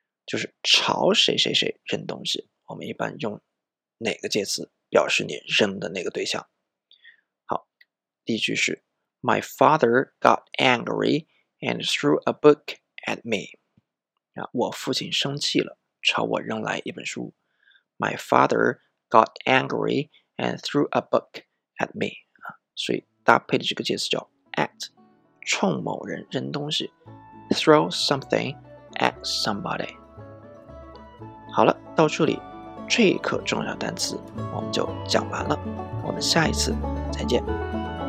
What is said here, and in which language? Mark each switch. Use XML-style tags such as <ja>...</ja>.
<zh>就是朝谁谁谁扔东西，我们一般用哪个介词表示你扔的那个对象。第一句是</zh> <en>My father got angry and threw a book at me.</en> <zh>我父亲生气了，朝我扔来一本书。</zh> <en>My father got angry and threw a book at me.</en> <zh>所以搭配的这个介词叫 at, 冲某人扔东西。</zh> <en>Throw something at somebody.</en> <zh>好了，到这里，这一课重要单词我们就讲完了。我们下一次再见。</zh>